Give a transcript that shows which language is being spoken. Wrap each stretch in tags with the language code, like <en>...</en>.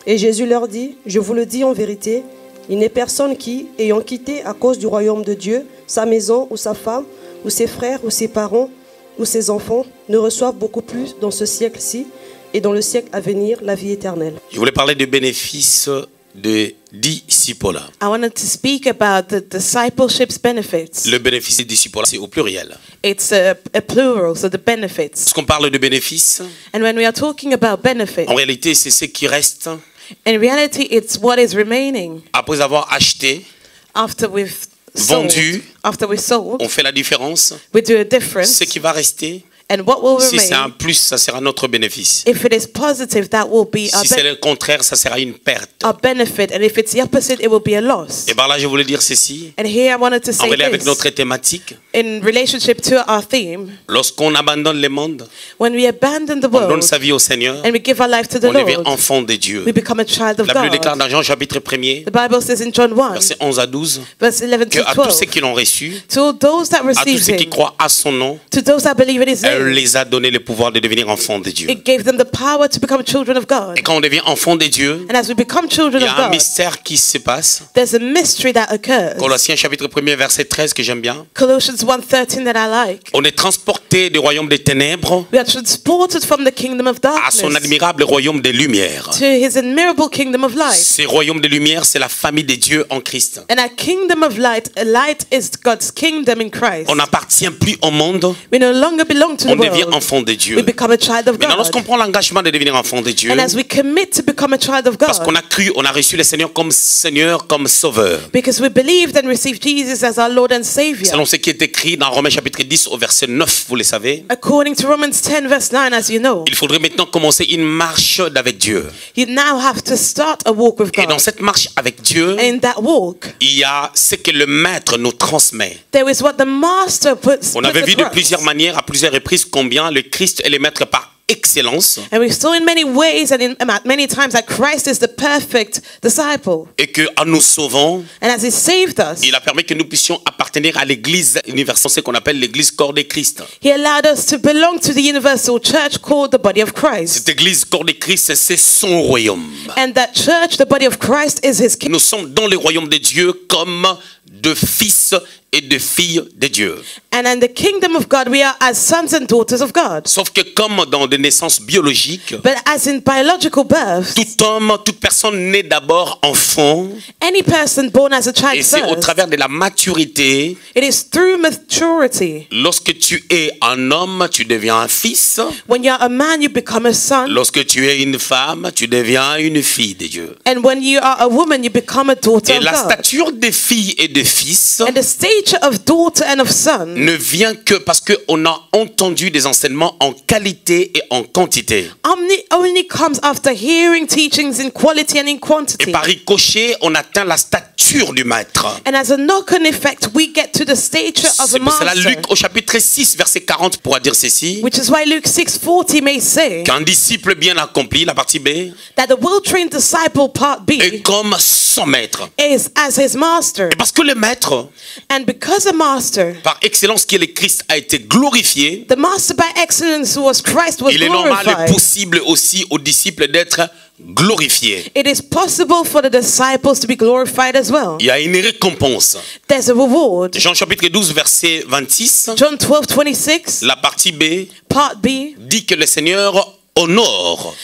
<fr>Et Jésus leur dit, je vous le dis en vérité, il n'est personne qui, ayant quitté à cause du royaume de Dieu, sa maison ou sa femme, ou ses frères ou ses parents, ou ses enfants, ne reçoive beaucoup plus dans ce siècle-ci, et dans le siècle à venir, la vie éternelle. Je voulais parler des bénéfices de discipolat.</fr> <en>I wanted to speak about the discipleship's benefits.</en> <fr>Le bénéfice de discipolat, c'est au pluriel.</fr> <en>It's a plural, so the benefits.</en> <fr>Parce qu'on parle de bénéfices.</fr> <en>And when we are talking about benefits.</en> <fr>En réalité, c'est ce qui reste.</fr> <en>In reality, it's what is remaining.</en> <fr>Après avoir acheté.</fr> <en>After we've sold.</en> <fr>Vendu.</fr> <en>After we sold.</en> <fr>On fait la différence.</fr> <en>We do a difference.</en> <fr>Ce qui va rester.</fr> <en>And what will remain,</en> <fr>si c'est un plus, ça sera notre bénéfice.</fr> <en>If it is positive, that will be</en> <fr>si c'est le contraire, ça sera une perte.</fr> <en>A benefit, and if it's the opposite, it will be a loss.</en> <fr>Et ben là, je voulais dire ceci.</fr> <en>And here I wanted to say</en> <fr>en relation avec notre thématique.</fr> <en>In relationship to our theme.</en> <fr>Lorsqu'on abandonne le monde.</fr> <en>When we abandon the world.</en> <fr>On donne sa vie au Seigneur.</fr> <en>And we give our life to the</en> <fr>on</fr> <en>Lord.</en> <fr>On devient enfant de Dieu.</fr> <en>We become a child of</en> <fr>la Bible</fr> <en>God.</en> <fr>Déclare dans Jean chapitre 1er.</fr> <en>The Bible says in John 1.</en> <fr>Verset 11 à 12.</fr> <en>Verse 11</en> <fr>que</fr> <en>to 12.</en> <fr>Que à tous ceux qui l'ont reçu.</fr> <en>To all those that receive</en> <fr>à tous ceux qui croient à son nom.</fr> <en>To those that believe in his name.</en> <fr>Elle les a donné le pouvoir de devenir enfants de Dieu.</fr> <en>It gave them the power to become children of God.</en> <fr>Et quand on devient enfant de Dieu,</fr> <en>and as we become children</en> <fr>il y a</fr> <en>of God,</en> <fr>un mystère qui se passe.</fr> <en>There's a mystery that occurs.</en> <fr>Colossiens chapitre 1er verset 13 que j'aime bien.</fr> <en>Colossians 1:13 that I like.</en> <fr>On est transporté du royaume des ténèbres.</fr> <en>We are transported from the kingdom of darkness.</en> <fr>À son admirable royaume de lumière.</fr> <en>To his admirable kingdom of light.</en> <fr>Ce royaume de lumière, c'est la famille de Dieu en Christ.</fr> <en>And a kingdom of light, a light is God's kingdom in Christ.</en> <fr>On n'appartient plus au monde.</fr> <en>We no longer belong to the</en> <fr>on devient enfant de Dieu.</fr> <en>We become a child of</en> <fr>maintenant, lorsqu'on prend l'engagement de devenir enfant de Dieu,</fr> <en>and as we commit to become a child of God,</en> <fr>parce qu'on a cru, on a reçu le Seigneur, comme Sauveur.</fr> <en>Because we believed and received Jesus as our Lord and Savior.</en> <fr>Selon ce qui est écrit dans Romains chapitre 10 au verset 9, vous le savez.</fr> <en>According to Romans 10 verse 9, as you know.</en> <fr>Il faudrait maintenant commencer une marche avec Dieu.</fr> <en>You now have to start a walk with God.</en> <fr>Et dans cette marche avec Dieu,</fr> <en>in that walk,</en> <fr>il y a ce que le Maître nous transmet.</fr> <en>There is what the Master puts.</en> <fr>On avait vu de plusieurs manières, à plusieurs reprises. Combien le Christ est le maître par excellence.</fr> <en>And we saw in many ways and in many times that Christ is the perfect disciple.</en> <fr>Et que en nous sauvant,</fr> <en>and as he saved us,</en> <fr>il a permis que nous puissions appartenir à l'Église universelle, ce qu'on appelle l'Église corps de Christ.</fr> <en>He allowed us to belong to the universal church called the body of Christ.</en> <fr>Cette Église corps de Christ, c'est son royaume.</fr> <en>And that church, the body of Christ, is his kingdom.</en> <fr>Nous sommes dans le royaume de Dieu comme de fils et de filles de Dieu.</fr> <en>And in the kingdom of God, we are as sons and daughters of God.</en> <fr>Sauf que comme dans des naissances biologiques,</fr> <en>but as in biological birth,</en> <fr>tout homme, toute personne naît d'abord enfant,</fr> <en>any person born as a child</en> <fr>et c'est au travers de la maturité,</fr> <en>it is through maturity,</en> <fr>lorsque tu es un homme, tu deviens un fils,</fr> <en>when you are a man, you become a son,</en> <fr>lorsque tu es une femme, tu deviens une fille de Dieu.</fr> <en>And when you are a woman, you become a daughter</en> <fr>et</fr> <en>of God.</en> <fr>Et la stature des filles et des fils,</fr> <en>and the stature of daughter and of son,</en> <fr>ne vient que parce qu'on a entendu des enseignements en qualité et en quantité.</fr> <en>Only comes after hearing teachings in quality and in quantity.</en> <fr>Et par ricochet, on atteint la stature stature du maître.</fr> <en>And as a knock-on effect, we get to the stature of the master.</en> <fr>C'est pour cela Luc au chapitre 6 verset 40 pourra dire ceci.</fr> <en>Which is why Luke 6:40 may say.</en> <fr>Qu'un disciple bien accompli, la partie B.</fr> <en>That a well-trained disciple, part B.</en> <fr>Est comme son maître.</fr> <en>Is as his master.</en> <fr>Et parce que le maître.</fr> <en>And because the master.</en> <fr>Par excellence qui est le Christ a été glorifié.</fr> <en>The master by excellence was Christ was glorified.</en> <fr>Il est normal et possible aussi aux disciples d'être glorifié.</fr> <en>It is possible for the disciples to be glorified as well.</en> <fr>Il y a une récompense.</fr> <en>There's a reward.</en> <fr>Jean chapitre 12 verset 26.</fr> <en>John 12:26.</en> <fr>La partie B.</fr> <en>Part B.</en> <fr>Dit que le Seigneur honore.</fr>